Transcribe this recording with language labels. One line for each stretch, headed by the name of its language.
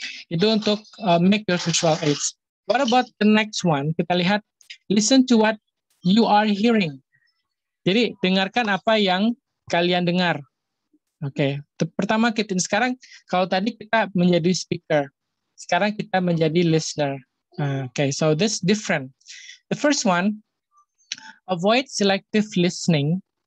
Indonesian: Itu untuk
English: make your visual aids. What about the next one?
Indonesian: Kita lihat,
English: listen to what you are hearing.
Indonesian: Jadi dengarkan apa yang kalian dengar. Oke. Okay. Pertama kita sekarang, kalau tadi kita menjadi speaker, sekarang kita menjadi listener.
English: Okay, so this different. The first one, avoid selective listening.